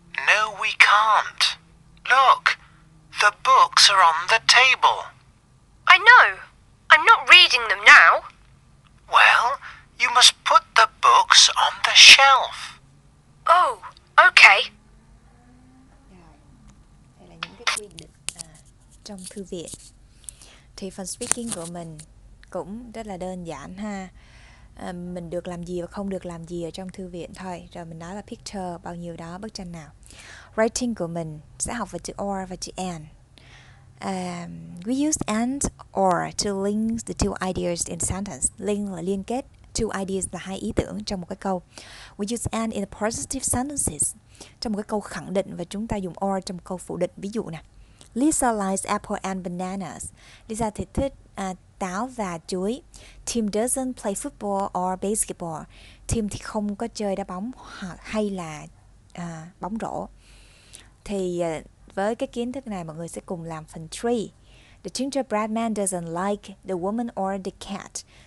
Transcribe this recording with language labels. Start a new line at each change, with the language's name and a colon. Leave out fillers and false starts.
English: No, we can't. Look, the books are on the table. I know. I'm not reading them now. Well, you must put the books on the shelf. Oh, okay.
Vietnamese: Đây là những cái quy định trong thư viện. Thì phần speaking của mình cũng rất là đơn giản ha. Mình được làm gì và không được làm gì ở trong thư viện thôi. Rồi mình nói là picture bao nhiêu đó, bức tranh nào. Writing của mình sẽ học về chữ or và chữ and.
English: We use and or to link the two ideas in sentence.
Vietnamese: Link là liên kết,
English: two ideas
Vietnamese: là hai ý tưởng trong một cái câu.
English: We use and in positive sentences,
Vietnamese: trong một cái câu khẳng định, và chúng ta dùng or trong một câu phủ định. Ví dụ nè,
English: Lisa likes apple and bananas.
Vietnamese: Lisa thì thích táo và chuối.
English: Tim doesn't play football or basketball.
Vietnamese: Tim thì không có chơi đá bóng hay là bóng rổ. Thì với cái kiến thức này, mọi người sẽ cùng làm phần 3.
English: The gingerbread man doesn't like the woman or the cat.